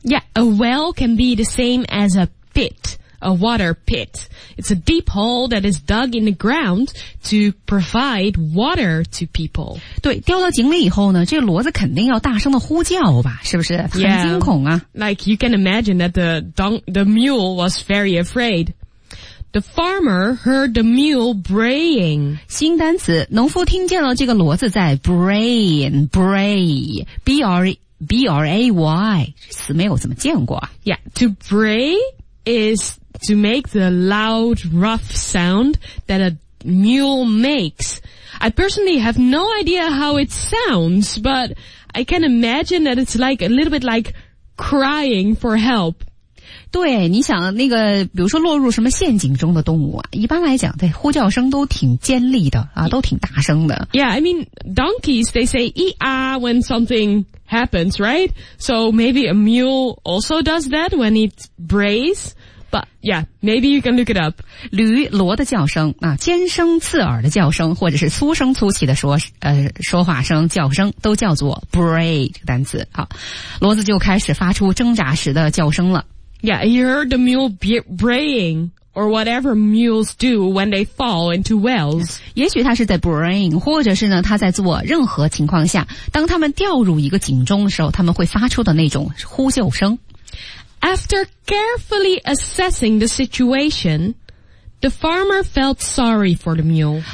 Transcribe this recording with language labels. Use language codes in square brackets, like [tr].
[en] Yeah, a well can be the same as a pit, a water pit. It's a deep hole that is dug in the ground to provide water to people. [zh] 对，掉到井里以后呢，这骡子肯定要大声的呼叫吧，是不是？很惊恐啊。 [en] Yeah, like you can imagine that the mule was very afraid. The farmer heard the mule braying. [zh] 新单词，农夫听见了这个骡子在 braying, bray, B-R-A-Y, 词没有怎么见过。 [en] Yeah, to bray is... to make the loud, rough sound that a mule makes. I personally have no idea how it sounds, but I can imagine that it's like a little bit like crying for help. [zh] 对，你想那个，比如说落入什么陷阱中的动物啊，一般来讲，对，呼叫声都挺尖利的啊，都挺大声的。 [en] Yeah, I mean, donkeys, they say ee-ah when something happens, right? So maybe a mule also does that when it brays. But yeah, maybe you can look it up. [zh] 驴骡的叫声啊，尖声刺耳的叫声，或者是粗声粗气的说话声、叫声，都叫做 bray 这个单词。好，骡子就开始发出挣扎时的叫声了。 [en] Yeah, he heard the mule braying, or whatever mules do when they fall into wells. Yes. [zh] 也许他是在 braying, 或者是呢他在做任何情况下当他们掉入一个井中的时候他们会发出的那种呼救声。 [en] After carefully assessing the situation, the farmer felt sorry for the mule.